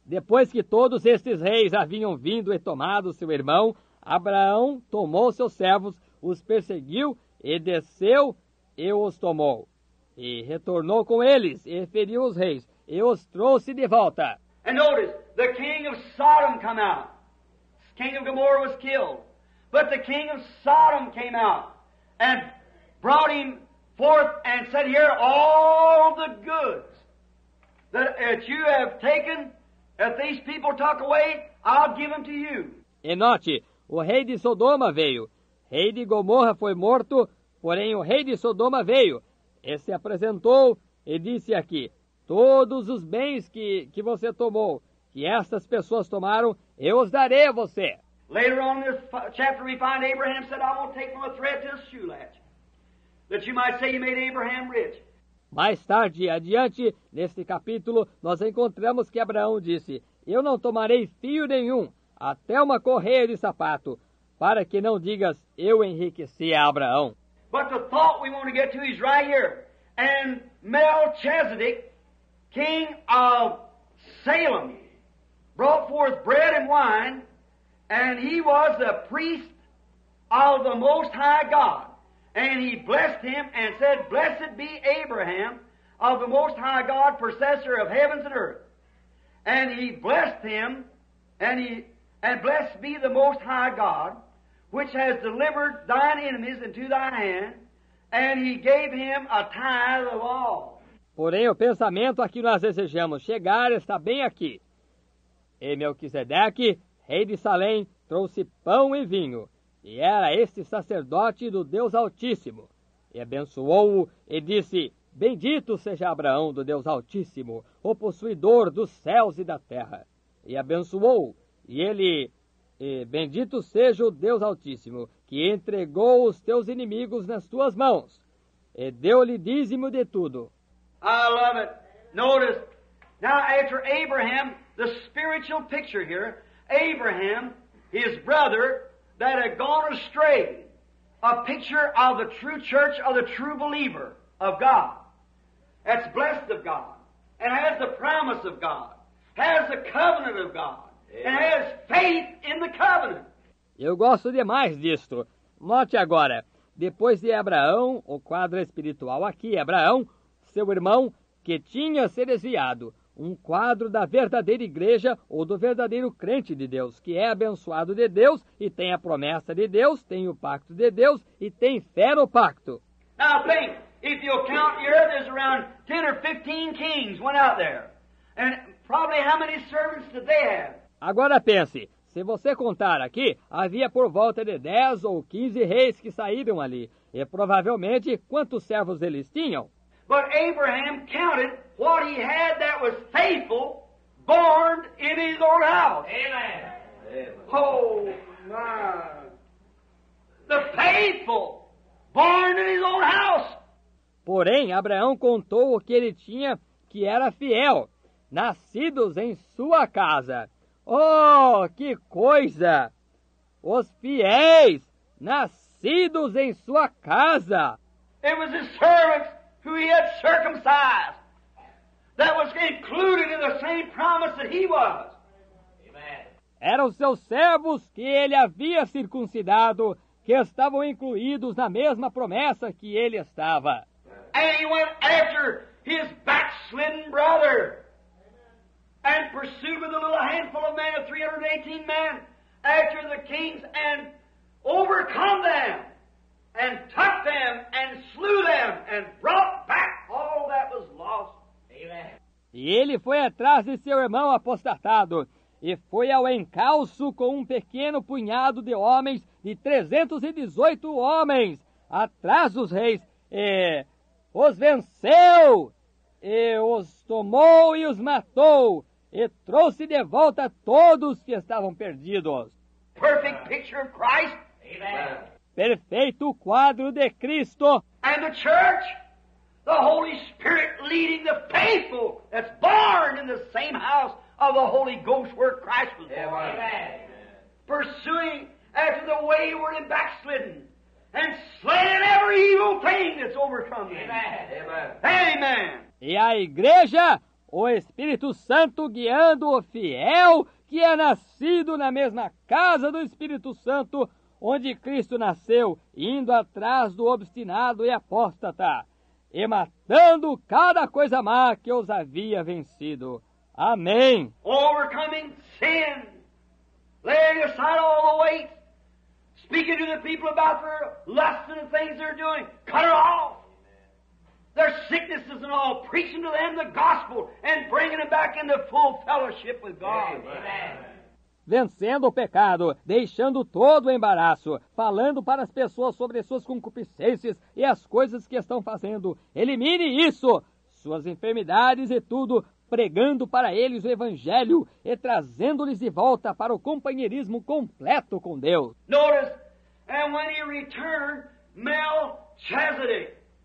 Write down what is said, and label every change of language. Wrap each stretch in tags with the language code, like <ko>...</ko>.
<pt>Depois que todos estes reis haviam vindo e tomado seu irmão, Abraão tomou seus servos, os perseguiu e desceu e os tomou. E retornou com eles e feriu os reis e os trouxe de volta.</pt> <en>And notice, the king of Sodom came out. King of Gomorrah was killed. But the king of Sodom came out and brought him forth and said, here all the goods that you have taken, if these people talk away, I'll give them to you.</en> <pt>E note, o rei de Sodoma veio. Rei de Gomorra foi morto, porém o rei de Sodoma veio. E se apresentou e disse aqui, todos os bens que você tomou, que estas pessoas tomaram, eu os darei a você.</pt> <en>Later on in this chapter we find Abraham said, I won't take no thread to his shoe latch. That you might say you made Abraham rich.</en> <pt>Mais tarde, adiante, neste capítulo, nós encontramos que Abraão disse, eu não tomarei fio nenhum, até uma correia de sapato, para que não digas, eu enriqueci a Abraão.</pt> <en>But the thought we want to get to is right here. And Melchizedek, king of Salem, brought forth bread and wine, and he was the priest of the Most High God. And he blessed him and said, blessed be Abraham of the Most High God, possessor of heavens and earth. And he blessed him, and blessed be the Most High God, which has delivered thine enemies into thy hand, and he gave him a tithe of all.</en> <pt>Porém, o pensamento a que nós desejamos chegar está bem aqui. E Melquisedeque, rei de Salém, trouxe pão e vinho. E era este sacerdote do Deus Altíssimo. E abençoou-o e disse, bendito seja Abraão do Deus Altíssimo, o possuidor dos céus e da terra. E abençoou-o, e ele, e bendito seja o Deus Altíssimo, que entregou os teus inimigos nas tuas mãos. E deu-lhe dízimo de tudo.</pt> <en>I love it. Notice, now after Abraham, the spiritual picture here, Abraham, his brother, that had gone astray, a picture of the true church of the true believer of God, that's blessed of God, and has the promise of God, has the covenant of God, and has faith in the covenant.</en> <pt>Eu gosto demais disto. Note agora, depois de Abraão, o quadro espiritual aqui, Abraão, seu irmão, que tinha se desviado, um quadro da verdadeira igreja ou do verdadeiro crente de Deus, que é abençoado de Deus e tem a promessa de Deus, tem o pacto de Deus e tem fé no pacto.</pt> <en>Now think, if you count here, there's around 10 or 15 kings went out there. And probably how many servants did they have?</en> <pt>Agora pense, se você contar aqui, havia por volta de 10 ou 15 reis que saíram ali. E provavelmente, quantos servos eles tinham?</pt> <en>But Abraham counted what he had that was faithful, born in his own house. Amen. Oh, my. The faithful, born in his own house.</en> <pt>Porém, Abraão contou o que ele tinha, que era fiel, nascidos em sua casa. Oh, que coisa! Os fiéis, nascidos em sua casa.</pt> <en>It was his servants who he had circumcised. That was included in the same promise that he was. Amen.</en> <pt>Eram seus servos que ele havia circuncidado, que estavam incluídos na mesma promessa que ele estava.</pt> <en>And he went after his backslidden brother. Amen. And pursued with a little handful of men, of 318 men, after the kings, and overcome them, and took them, and slew them, and brought back all that was lost.</en> <pt>E ele foi atrás de seu irmão apostatado e foi ao encalço com um pequeno punhado de homens, de 318 homens, atrás dos reis, e os venceu, e os tomou e os matou, e trouxe de volta todos que estavam perdidos.</pt> <en>Perfect picture of Christ. Amen.</en> <pt>Perfeito quadro de Cristo.</pt> <en>And the church. The Holy Spirit leading the faithful that's born in the same house of the Holy Ghost where Christ was born. Amen. Pursuing after the wayward and backslidden and slaying every evil thing that's overcome them. Amen. Amen.</en> <pt>E a igreja, o Espírito Santo guiando o fiel que é nascido na mesma casa do Espírito Santo onde Cristo nasceu, indo atrás do obstinado e apóstata. E matando cada coisa má que os havia vencido. Amém.</pt> <en>Overcoming sin. Laying aside all the weights. speaking to the people about their lusts and things they're doing. Cut it off. Their sicknesses and all, preaching to them the gospel and bringing them back into full fellowship with God. Amen.</en> <pt>Vencendo o pecado, deixando todo o embaraço, falando para as pessoas sobre as suas concupiscências e as coisas que estão fazendo. Elimine isso, suas enfermidades e tudo, pregando para eles o evangelho e trazendo-lhes de volta para o companheirismo completo com Deus.</pt> <en>Notice, and when he returned, Melchizedek.</en>